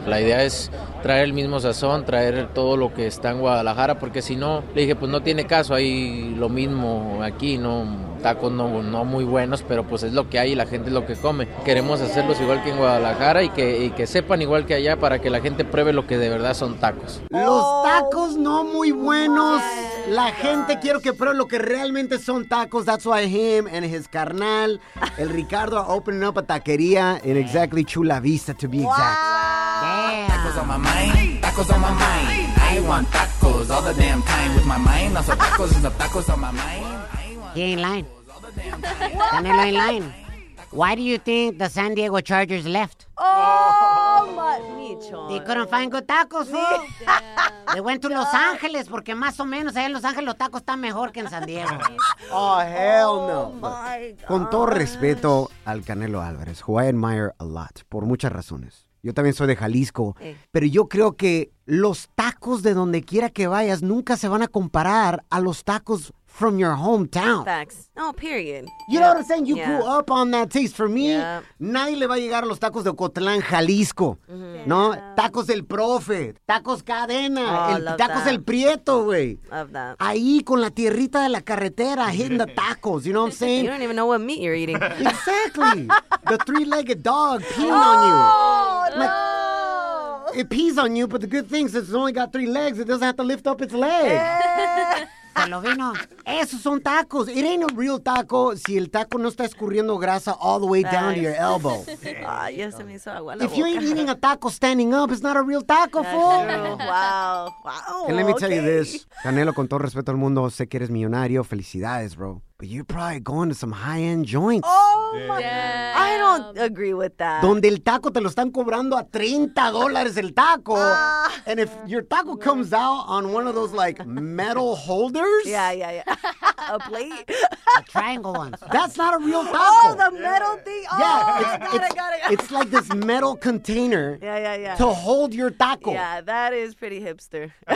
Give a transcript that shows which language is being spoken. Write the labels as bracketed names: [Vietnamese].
[Spanish] La idea es traer el mismo sazón, traer todo lo que está en Guadalajara, porque si no, le dije, pues no tiene caso, hay lo mismo aquí, ¿no? Tacos no muy buenos, pero pues es lo que hay y la gente es lo que come. Queremos hacerlos igual que en Guadalajara y que sepan igual que allá para que la gente pruebe lo que de verdad son tacos. Los tacos no muy buenos. La gente quiero que pruebe lo que realmente son tacos. [English] That's why him and his carnal, el Ricardo, are opening up a taquería in exactly Chula Vista, to be exact. Wow. Damn. Tacos on my mind, tacos on my mind. I want tacos all the damn time with my mind. Also tacos and the tacos on my mind. He ain't lying. Canelo ain't lying. Why do you think the San Diego Chargers left? They couldn't find good tacos, fool. Yeah. They went to Los Angeles, [Spanish] porque más o menos allá en Los Ángeles los tacos están mejor que en San Diego. [English] Oh, hell no. Oh, my gosh. [Spanish] Con todo respeto al Canelo Álvarez, [English] who I admire a lot, [Spanish] por muchas razones. Yo también soy de Jalisco, pero yo creo que los tacos de donde quiera que vayas nunca se van a comparar a los tacos [English] from your hometown. Facts. No, period. You know what I'm saying? You grew up on that taste. For me, [Spanish] nadie le va a llegar a los tacos de Ocotlán, Jalisco. [English] Mm-hmm. Yeah. [Spanish] No, tacos del profe, tacos cadena, tacos [English] that. [Spanish] El Prieto, güey. [English] Love that. [Spanish] Ahí con la tierrita de la carretera, [English] hitting the tacos, you know what I'm saying? You don't even know what meat you're eating. Exactly. The three-legged dog peeing on you. It pees on you, but the good thing is it's only got three legs. It doesn't have to lift up its leg. [Spanish] Esos son tacos. [English] It ain't a real taco [Spanish] si el taco no está escurriendo grasa [English] all the way down to your elbow. If you ain't eating a taco standing up, it's not a real taco, fool. Wow. And let me tell you this. [Spanish] Canelo, con todo respeto al mundo, sé que eres millonario. Felicidades, bro. [English] But you're probably going to some high-end joints. Oh, my God. I don't agree with that. [Spanish] Donde el taco te lo están cobrando a $30 el taco. [English] And if your taco comes out on one of those, like, metal holders. Yeah. A plate. A triangle one. That's not a real taco. Oh, the metal thing. Yeah. Oh, I got it. It's like this metal container to hold your taco. Yeah, that is pretty hipster.